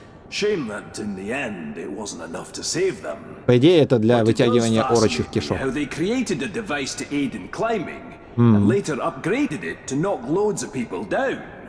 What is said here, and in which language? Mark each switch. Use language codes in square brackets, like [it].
[en] Shame that in the end it wasn't enough to save them. [ru] По идее, это для вытягивания орочих кишок. [en] How they created a device to aid in climbing and later upgraded it to knock loads of people down.